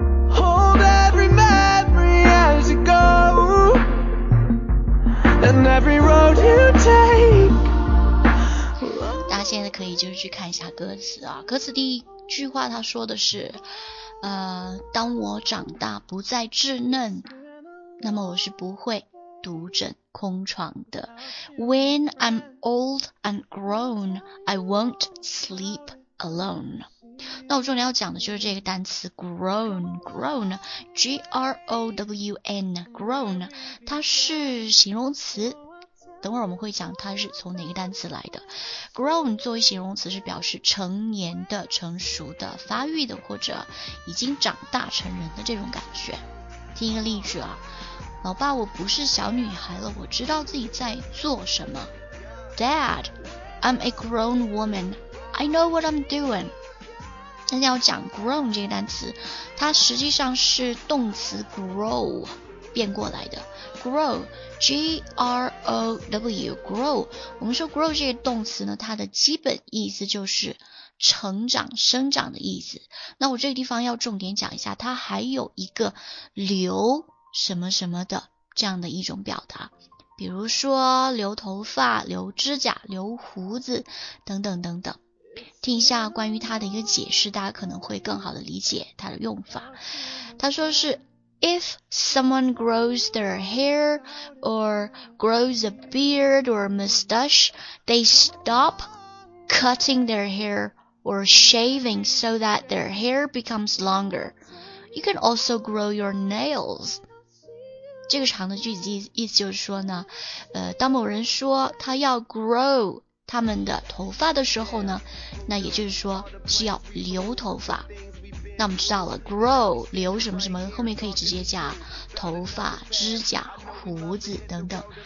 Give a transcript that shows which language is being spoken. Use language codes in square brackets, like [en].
[en] Hold every memory as you go, and every road you take. [zh] 大家现在可以就是去看一下歌词啊，歌词第一句话他说的是当我长大不再稚嫩，那么我是不会独枕空床的。 [en] When I'm old and grown, I won't sleep alone。 [zh] 那我重点要讲的就是这个单词 grown G-R-O-W-N grown， 它是形容词，等会儿我们会讲它是从哪个单词来的。 grown 作为形容词是表示成年的、成熟的、发育的或者已经长大成人的这种感觉。听一个例句啊，老爸我不是小女孩了，我知道自己在做什么。 [en] Dad I'm a grown woman, I know what I'm doing。 [zh] 那要讲 grown 这个单词，它实际上是动词 grow 变过来的。 grow G-R-O-W grow， 我们说 grow 这个动词呢，它的基本意思就是成长生长的意思。那我这个地方要重点讲一下，它还有一个留什么什么的这样的一种表达，比如说留头发、留指甲、留胡子等等等等。听一下关于它的一个解释，大家可能会更好的理解它的用法。他说是 [en] If someone grows their hair or grows a beard or mustache, they stop cutting their hair or shaving so that their hair becomes longer. You can also grow your nails. [zh] 这个长的句子意思就是说呢，当某人说他要 grow 他们的头发的时候呢，那也就是说是要留头发。那我们知道了 grow 留什么什么，后面可以直接加头发、指甲、胡子等等。